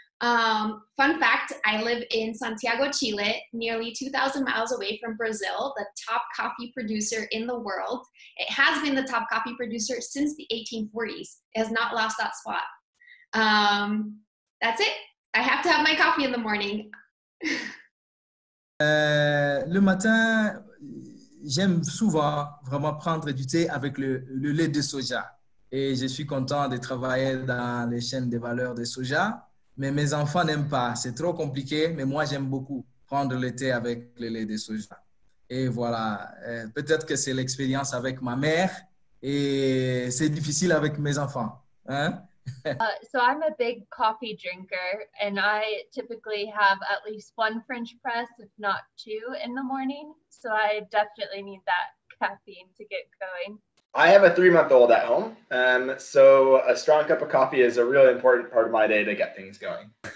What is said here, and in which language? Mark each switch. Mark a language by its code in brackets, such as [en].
[en] Fun fact, I live in Santiago, Chile, nearly 2,000 miles away from Brazil, the top coffee producer in the world. It has been the top coffee producer since the 1840s. It has not lost that spot. That's it. I have to have my coffee in the morning. [fr] Le matin, j'aime souvent vraiment prendre du thé avec le lait de soja. Et je suis content de travailler dans les chaînes de valeur de soja. Mais mes enfants n'aiment pas. C'est trop compliqué. Mais moi, j'aime beaucoup prendre le thé avec le lait de soja. Et voilà. Peut-être que c'est l'expérience avec ma mère et c'est difficile avec mes enfants. Hein? [en] So I'm a big coffee drinker, and I typically have at least one French press, if not two, in the morning. So I definitely need that caffeine to get going. I have a three-month-old at home, so a strong cup of coffee is a really important part of my day to get things going.